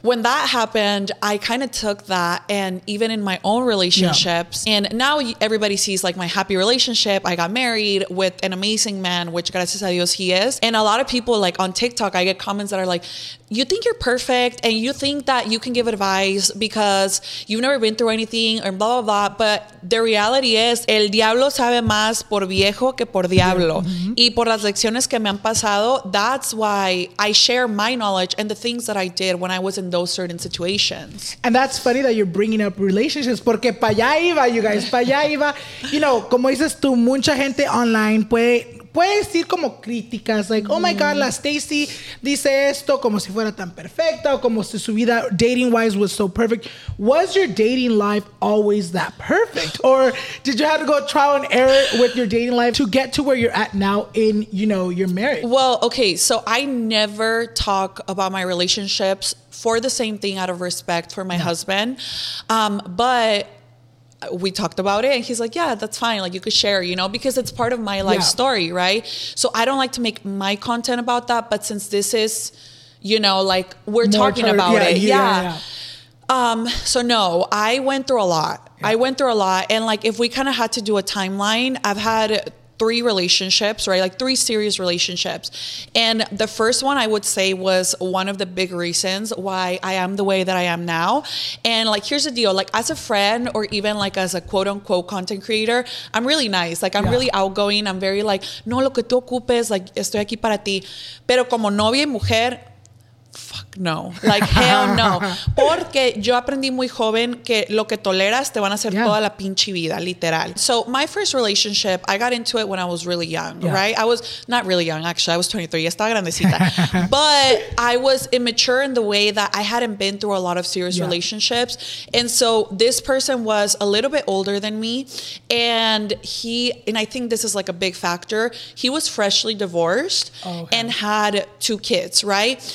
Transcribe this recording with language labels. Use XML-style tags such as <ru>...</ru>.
<en>When that happened, I kind of took that and even in my own relationships. Yeah. And now everybody sees like my happy relationship. I got married with an amazing man, which</en> <es>gracias a Dios</es> <en>he is. And a lot of people like on TikTok, I get comments that are like, you think you're perfect and you think that you can give advice because you've never been through anything and blah, blah, blah. But the reality is,</en> <es>el diablo sabe más por viejo que por diablo.</es> <en>Mm-hmm.</en> <es>Y por las lecciones que me han pasado,</es> <en>that's why I share my knowledge and the things that I did when I was in those certain situations. And that's funny that you're bringing up relationships,</en> <es>porque pa allá iba,</es> <en>you guys,</en> <es>pa allá iba.</es> <en>You know,</en> <es>como dices tú, mucha gente online puede decir como críticas,</es> <en>like, oh my God,</en> <es>la Stacy dice esto como si fuera tan perfecta, o como si su vida</es> <en>dating-wise was so perfect. Was your dating life always that perfect? Or did you have to go trial and error with your dating life to get to where you're at now in, you know, your marriage? Well, okay, so I never talk about my relationships for the same thing out of respect for my husband. But we talked about it and he's like, yeah, that's fine. Like, you could share, you know, because it's part of my life story. Right. So I don't like to make my content about that. But since this is, you know, like we're talking about it. So no, I went through a lot. Yeah. I went through a lot. And like, if we kind of had to do a timeline, I've had three relationships, right? Like three serious relationships. And the first one I would say was one of the big reasons why I am the way that I am now. And like, here's the deal, like as a friend or even like as a quote unquote content creator, I'm really nice. Like I'm really outgoing. I'm very like,</en> <es>no, lo que tú ocupes, like estoy aquí para ti. Pero como novia y mujer,</es> <en>fuck no, like hell no.</en> <es>Porque yo aprendí muy joven que lo que toleras te van a hacer toda la pinche vida, literal.</es> <en>So my first relationship, I got into it when I was really young, right? I was not really young, actually. I was 23.</en> <es>Ya estaba grandecita.</es> <en>But I was immature in the way that I hadn't been through a lot of serious relationships. And so this person was a little bit older than me. And he, and I think this is like a big factor, he was freshly divorced and had two kids, right?</en>